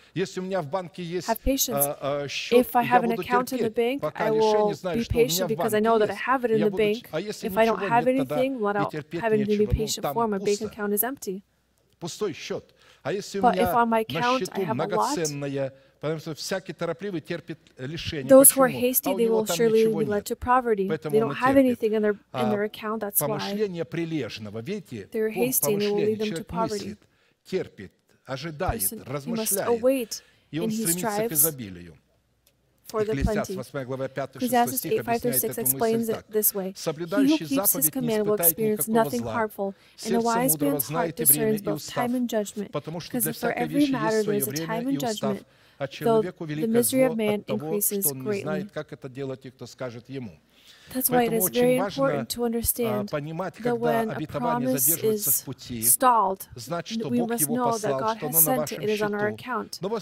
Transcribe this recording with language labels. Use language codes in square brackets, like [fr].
[ru] Если у меня в банке есть счет, я буду терпеть, пока решение знаю, что у меня в банке есть, я буду терпеть. А если ничего нет, тогда и терпеть нечего, там пусто. Пустой счет. А если у меня на счету многоценное, потому что всякий торопливый терпит лишение. [en] Those who are hasty, they will surely be led to poverty. They don't have anything in their account, that's why. [ru] Помышление прилежного, видите, он помышление, человек мыслит, терпит, ожидает, размышляет, и он стремится к изобилию. [en] Ecclesiastes 8, 5, 6 explains it this way. He who keeps his command will experience nothing harmful, and a wise man's heart discerns both time and judgment, because for every matter there is a time and judgment, though the misery of man increases greatly. That's why it is very important to understand that when a promise is stalled, we must know that God has sent it, it is on our account.